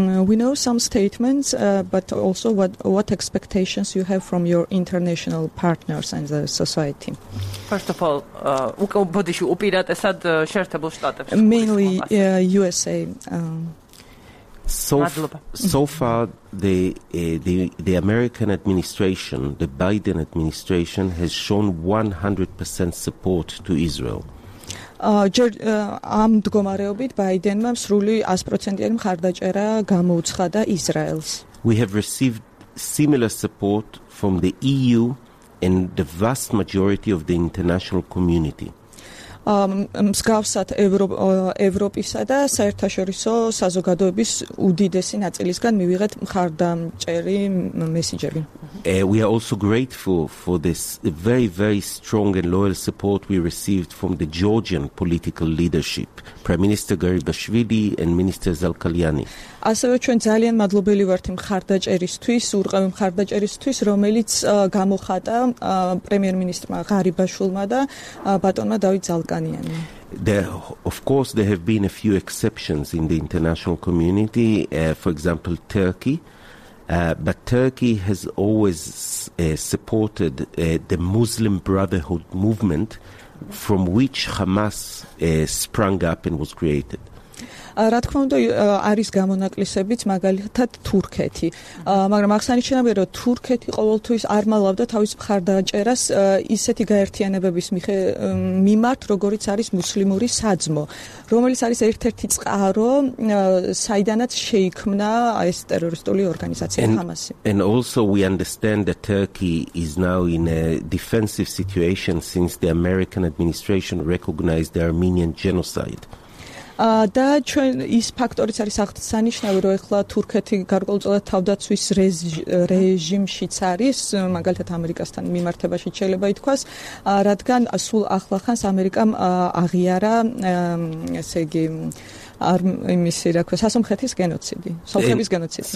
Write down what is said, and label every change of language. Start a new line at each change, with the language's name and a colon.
English: We know some statements, but also what expectations you have from your international partners and the society. First of all,
Georgian: ბოდიში უპირატესად შეერთებულ შტატებს.
English: Mainly USA. So far the American administration, the Biden administration, has shown 100% support to Israel.
Georgian: ამ მდგომარეობით ბაიდენმა სრული 100%-იანი მხარდაჭერა გამოუცხადა ისრაელს.
English: We have received similar support from the EU and the vast majority of the international community.
Georgian: მსგავსად ევროპისა და საერთაშორისო საზოგადოების უდიდესი ნაწილისგან მივიღეთ მხარდამჭერი მესიჯები.
English: We are also grateful for this very very strong and loyal support we received from the Georgian political leadership, Prime Minister Garibashvili and Minister Zalkalyani.
Georgian: ასევე ჩვენ ძალიან მადლობელი ვართ მხარდაჭერისთვის, ურყევი მხარდაჭერისთვის, რომელიც გამოხატა პრემიერ-მინისტრმა ღარიბაშვილმა და ბატონმა დავით ზალკანიანმა.
English: There of course there have been a few exceptions in the international community, for example Turkey. But Turkey has always supported the Muslim Brotherhood movement from which Hamas sprung up and was created.
Georgian: რა თქმა უნდა არის გამონაკლისებიც მაგალითად თურქეთი, მაგრამ აღსანიშნავია რომ თურქეთი ყოველთვის არ მალავდა თავის მხარდაჭერას ისეთი გაერთიანებების მიმართ როგორიც არის მუსლიმური საძმო, რომელიც არის ერთ-ერთი წყარო საიდანაც შეიქმნა ეს ტერორისტული ორგანიზაცია ჰამასი.
English: And also we understand that Turkey is now in a defensive situation since the American administration recognized the Armenian genocide.
Georgian: Და ჩვენ ის ფაქტორიც არის აღსანიშნავი, რომ ახლა თურქეთი გარკვეულწილად თავდაცვის რეჟიმშიც არის, მაგალითად ამერიკასთან მიმართებაში შეიძლება ითქვას, რადგან სულ ახლახანს ამერიკამ აღიარა ესე იგი არ იმისი რა ქვია, სასომხეთის გენოციდი, სომხების გენოციდი.